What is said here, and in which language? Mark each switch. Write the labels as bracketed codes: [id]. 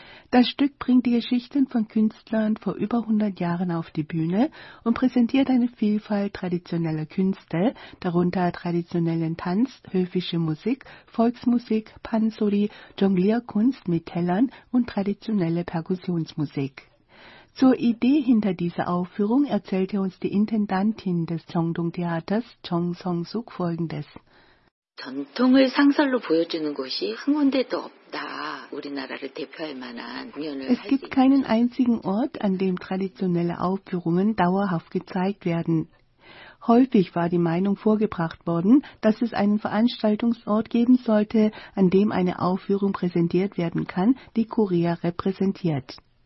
[de] Das Stück bringt die Geschichten von Künstlern vor über 100 Jahren auf die Bühne und präsentiert eine Vielfalt traditioneller Künste, darunter traditionellen Tanz, höfische Musik, Volksmusik, Pansori, Jonglierkunst mit Tellern und traditionelle Perkussionsmusik. Zur Idee hinter dieser Aufführung erzählte uns die Intendantin des Cheongdong Theaters, Jeong Song-suk, Folgendes. [ko] 전통을 상설로 보여주는 곳이 한 군데도 없다. 우리나라를 대표할 만한 공연을 [de] Es gibt keinen einzigen Ort, an dem traditionelle Aufführungen dauerhaft gezeigt werden. Häufig war die Meinung vorgebracht worden, dass es einen Veranstaltungsort geben sollte, an dem eine Aufführung präsentiert werden kann, die Korea repräsentiert.